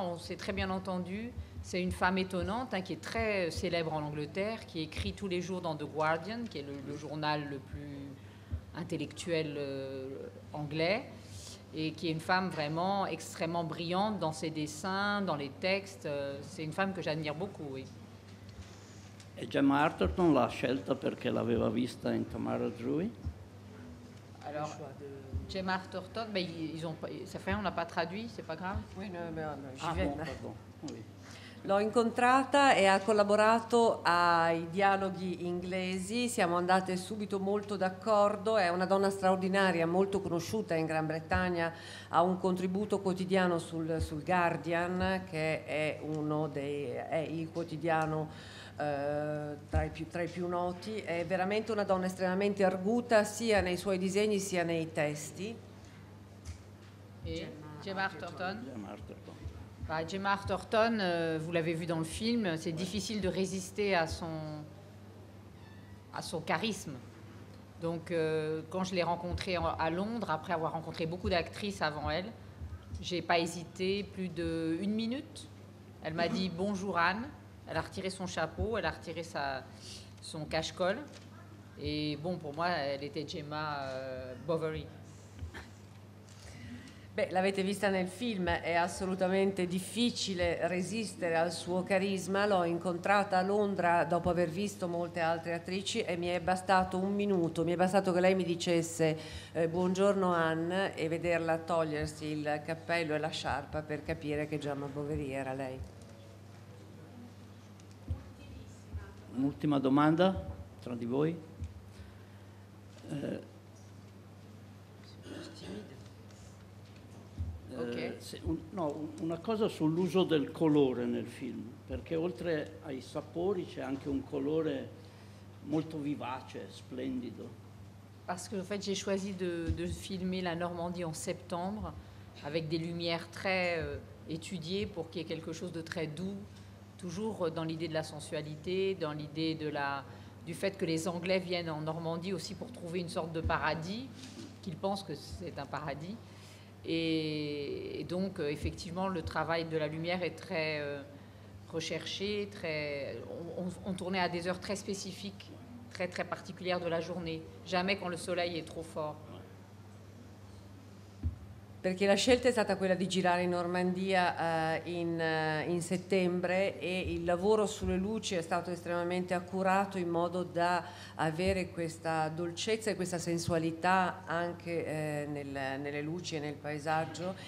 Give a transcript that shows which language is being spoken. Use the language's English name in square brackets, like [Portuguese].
[French] On s'est très bien entendu. C'est une femme étonnante, hein, qui est très célèbre en Angleterre, qui écrit tous les jours dans The Guardian, qui est le journal le plus intellectuel anglais, et qui est une femme vraiment extrêmement brillante dans ses dessins, dans les textes. C'est une femme que j'admire beaucoup, oui. Et Gemma Arterton l'a [Italian] scelta [French] parce qu'elle l'avait [Italian] vista in [French] Tamara Drury? Alors, Gemma Arterton, mais c'est vrai, on n'a pas traduit, c'est pas grave? Oui, non, mais j'y vais. Ah bon, pardon, oui. [Italian] L'ho incontrata e ha collaborato ai dialoghi inglesi, siamo andate subito molto d'accordo, è una donna straordinaria, molto conosciuta in Gran Bretagna, ha un contributo quotidiano sul Guardian, che è il quotidiano tra i più noti, è veramente una donna estremamente arguta sia nei suoi disegni sia nei testi. Gemma Arterton. Gemma Arterton. [French] Bah, Gemma Arterton, vous l'avez vu dans le film, c'est difficile de résister à son charisme. Donc quand je l'ai rencontrée à Londres, après avoir rencontré beaucoup d'actrices avant elle, j'ai pas hésité plus d'une minute. Elle m'a dit bonjour Anne, elle a retiré son chapeau, elle a retiré son cache-col. Et bon, pour moi, elle était Gemma Bovary. [Italian] Beh, l'avete vista nel film, è assolutamente difficile resistere al suo carisma, l'ho incontrata a Londra dopo aver visto molte altre attrici e mi è bastato un minuto, mi è bastato che lei mi dicesse buongiorno Anne e vederla togliersi il cappello e la sciarpa per capire che Gemma Bovary era lei. Un'ultima domanda tra di voi. Una cosa sull'uso del colore nel film, perché oltre ai sapori c'è anche un colore molto vivace, splendido. [French] Parce que en fait j'ai choisi de filmer la Normandie en septembre avec des lumières très étudiées pour qu'il y ait quelque chose de très doux, toujours dans l'idée de la sensualité, dans l'idée du fait que les Anglais viennent en Normandie aussi pour trouver une sorte de paradis, qu'ils pensent que c'est un paradis. Et donc effectivement le travail de la lumière est très recherché, on tournait à des heures très spécifiques, très très particulières de la journée, jamais quand le soleil est trop fort. [Italian] perché la scelta è stata quella di girare in Normandia in settembre, e il lavoro sulle luci è stato estremamente accurato in modo da avere questa dolcezza e questa sensualità anche nelle luci e nel paesaggio.